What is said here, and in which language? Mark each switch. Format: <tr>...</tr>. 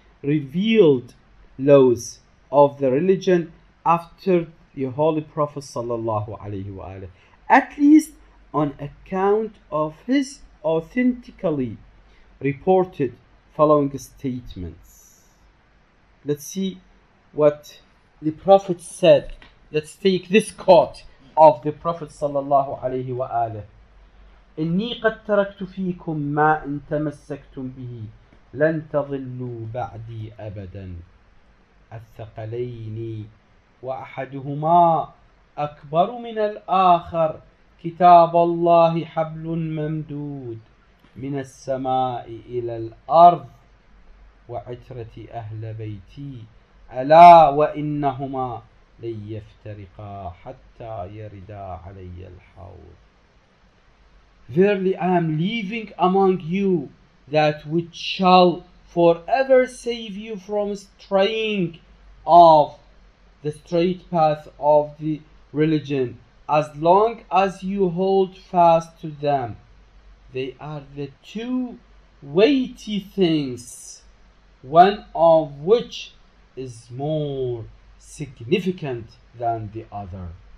<en>revealed laws of the religion after the Holy Prophet sallallahu alayhi wa alayhi, at least on account of his authentically reported following statements. Let's see what the Prophet said. Let's take this quote of the Prophet sallallahu alayhi wa alayhi.</en> <ar>إني قد تركت فيكم ما إن تمسكتم به لن تضلوا بعدي أبدا الثقلين وأحدهما أكبر من الآخر كتاب الله حبل ممدود من السماء إلى الأرض وعترة أهل بيتي ألا وإنهما لن يفترقا حتى يردا علي الحوض.</ar> <en>Verily, I am leaving among you that which shall forever save you from straying off the straight path of the religion. As long as you hold fast to them, they are the two weighty things, one of which is more significant than the other.</en>